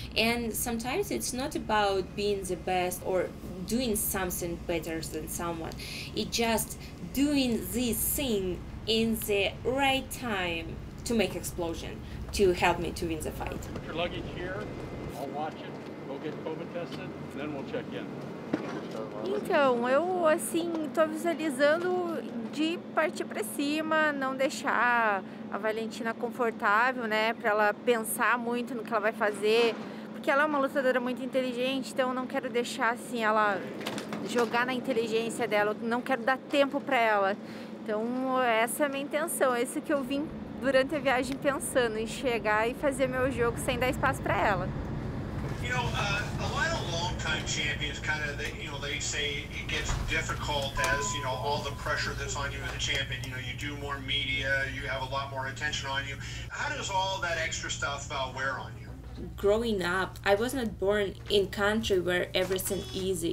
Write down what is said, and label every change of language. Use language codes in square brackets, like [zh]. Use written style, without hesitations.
[en] And sometimes it's not about being the best or doing something better than someone. It's just doing this thing in the right time to make explosion, to help me to win the fight. Put your luggage here, I'll watch it, go get COVID tested, and then we'll check in. [pt] Então, eu assim, tô visualizando de partir para cima, não deixar a Valentina confortável, né, para ela pensar muito no que ela vai fazer, porque ela é uma lutadora muito inteligente, então eu não quero deixar assim ela jogar na inteligência dela, não quero dar tempo para ela. Então, essa é a minha intenção, é isso que eu vim durante a viagem pensando em chegar e fazer meu jogo sem dar espaço para ela. [en] You know, a lot of long-time champions kind of, you know, they say it gets difficult as, you know, all the pressure that's on you as a champion. You know, you do more media, you have a lot more attention on you. How does all that extra stuff wear on you? growing up, I was not born in country where everything easy.